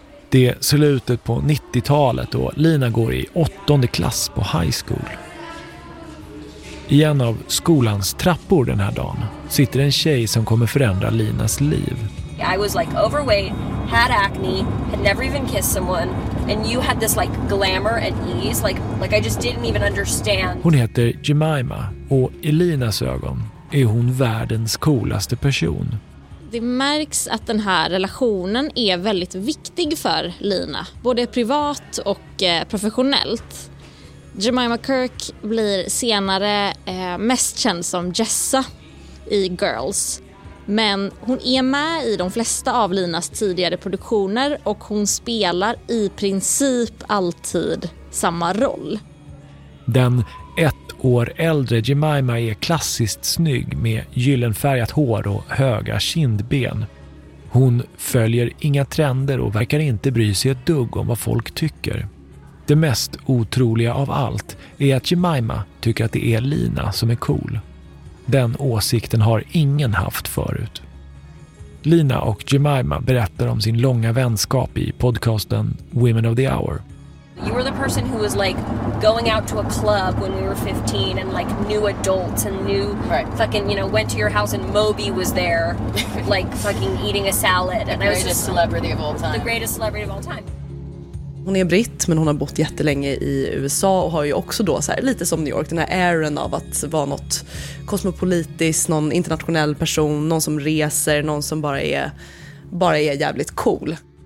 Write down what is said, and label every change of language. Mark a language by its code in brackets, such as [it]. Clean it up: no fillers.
[sv] Det är slutet på 90-talet och Lina går i åttonde klass på high school. I en av skolans trappor den här dagen sitter en tjej som kommer förändra Linas liv. [en] I was like overweight, had acne, had never even kissed someone. and you had this like glamour and ease, like I just didn't even understand. [sv] Hon heter Jemima och i Linas ögon är hon världens coolaste person. Det märks att den här relationen är väldigt viktig för Lina, både privat och professionellt. Jemima Kirk blir senare mest känd som Jessa i Girls. Men hon är med i de flesta av Linas tidigare produktioner och hon spelar i princip alltid samma roll. Den ett år äldre Jemima är klassiskt snygg med gyllenfärgat hår och höga kindben. Hon följer inga trender och verkar inte bry sig ett dugg om vad folk tycker. Det mest otroliga av allt är att Jemima tycker att det är Lina som är cool. Den åsikten har ingen haft förut. Lina och Jemima berättar om sin långa vänskap i podcasten Women of the Hour. [en] You were the person who was like going out to a club when we were 15 and like knew adults and knew right. Fucking, you know, went to your house and Moby was there like fucking eating a salad. The and greatest I was just, celebrity of all time. The greatest celebrity of all time. [sv] Hon är britt, men hon har bott jättelänge i USA och har ju också då så här, lite som New York, den här ären av att vara något kosmopolitiskt, någon internationell person, någon som reser, någon som bara är jävligt cool.